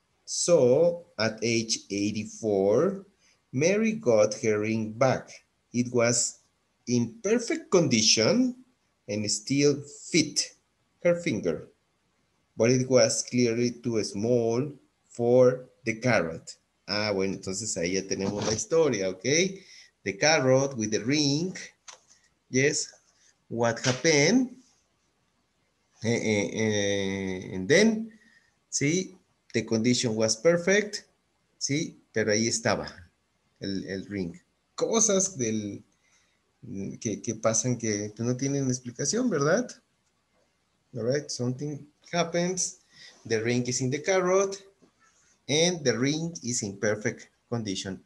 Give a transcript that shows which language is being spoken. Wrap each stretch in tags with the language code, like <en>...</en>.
<en>So, at age 84, Mary got her ring back. It was in perfect condition and still fit her finger, but it was clearly too small for the carrot.</en> <es>Ah, bueno, entonces ahí ya tenemos la historia, okay?</es> <en>The carrot with the ring. Yes, what happened? And then,</en> <es>sí,</es> <en>the condition was perfect, sí,</en> <es>pero ahí estaba el</es> <en>ring.</en> <es>Cosas del que pasan que no tienen explicación, ¿verdad?</es> <en>All right, something happens, the ring is in the carrot, and the ring is in perfect condition.</en>